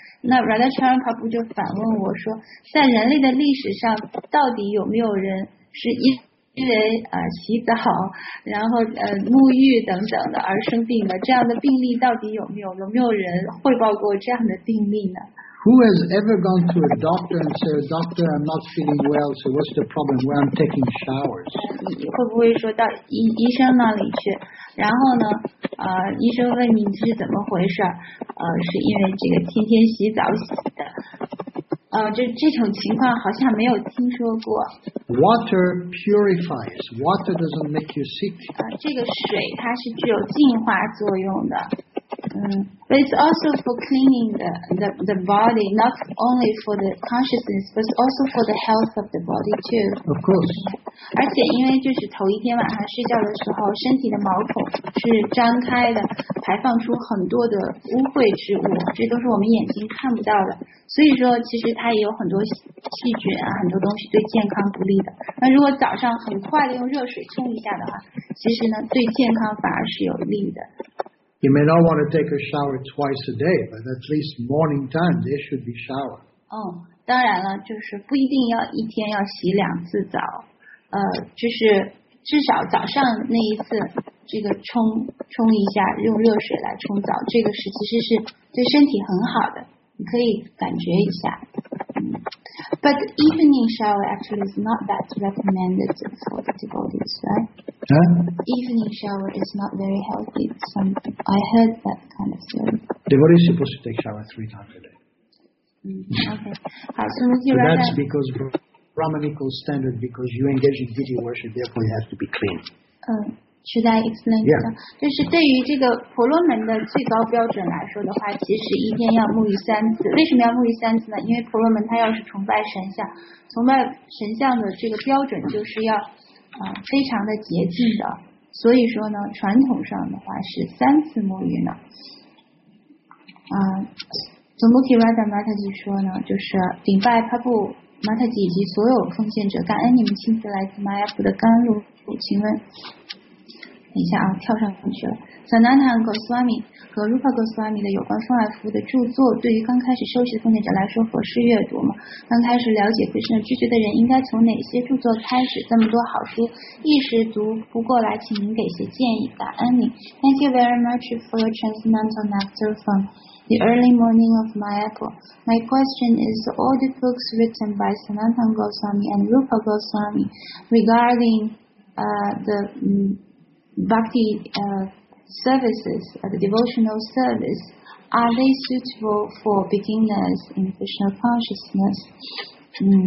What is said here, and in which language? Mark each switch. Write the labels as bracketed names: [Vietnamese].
[Chinese] 那 Radhacharan Prabhu 就反问我说，在人类的历史上，到底有没有人是因为洗澡，然后沐浴等等的而生病的，这样的病例到底有没有？有没有人汇报过这样的病例呢？ [English] Who has ever gone to a doctor and said, "Doctor, I'm not feeling well. So what's the problem? Why I'm taking showers?" [Chinese] 你会不会说到医生那里去？然后呢，医生问你是怎么回事？是因为这个天天洗澡洗的。这种情况好像没有听说过。 [English] Water purifies. Water doesn't make you sick. [Chinese] 这个水它是具有净化作用的。 [English] But it's also for cleaning the body, not only for the consciousness, but also for the health of the body too. Of course. [Chinese] 而且因为就是头一天晚上睡觉的时候，身体的毛孔是张开的，排放出很多的污秽之物，这都是我们眼睛看不到的。所以说，其实它也有很多细菌啊，很多东西对健康不利的。那如果早上很快的用热水冲一下的话，其实呢，对健康反而是有利的。 [English] You may not want to take a shower twice a day, but at least morning time there should be shower. [Chinese] 当然了，就是不一定要一天要洗两次澡，就是至少早上那一次，这个冲一下，用热水来冲澡，这个是其实是对身体很好的，你可以感觉一下。 [English] But evening shower actually is not that recommended for the devotees, right? Huh? Evening shower is not very healthy. I heard that kind of thing. Devotee is supposed to take shower 3 times a day. Okay. So that's right, because Brahmanical standard, because you engage in deity worship, therefore you have to be clean. Should I explain? Yeah. [Chinese] 就是对于这个婆罗门的最高标准来说的话，其实一天要沐浴三次。为什么要沐浴三次呢？因为婆罗门他要是崇拜神像，崇拜神像的这个标准就是要非常的洁净的。所以说呢，传统上的话是三次沐浴呢。总目提瓦达玛塔吉说呢，就是顶拜帕布玛塔吉以及所有奉献者，感恩你们亲自来自玛雅普的甘露。请问。等一下啊，跳上去了。Sanatan Goswami 和 Rupa Goswami 的有关风爱服务的著作，对于刚开始修习的奉献者来说合适阅读吗？刚开始了解 Krishna 知觉的人应该从哪些著作开始？这么多好书一时读不过来，请您给些建议，感恩您。 [English] Thank you very much for your transcendental nectar from the early morning of my apple. My question is, all the books written by Sanatan Goswami and Rupa Goswami regarding Bhakti services, the devotional service, are they suitable for beginners in Krishna consciousness?